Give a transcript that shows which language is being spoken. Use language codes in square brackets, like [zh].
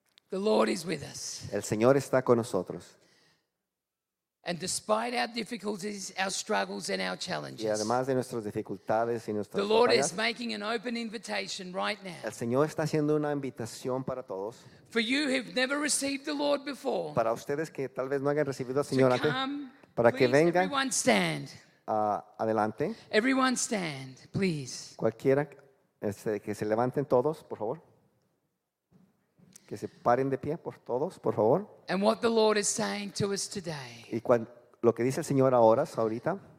[en] The Lord is with us. [es] El Señor está con nosotros. [en] And despite our difficulties, our struggles, and our challenges, [es] y además de nuestras dificultades y nuestras [en] the Lord is making an open invitation right now. [es] El Señor está haciendo una invitación para todos. [en] For you who've never received the Lord before, [es] para ustedes que tal vez no hayan recibido al Señor antes, [en] come, [es] para [en] please, [es] que vengan. [en] Everyone stand. [es] Adelante. [en] Everyone stand, please. [es] Cualquiera que se levanten todos, por favor. Que se paren de pie por todos, por favor. [en] And what the Lord is saying to us today. [es] Y lo que dice el Señor ahora, ahorita.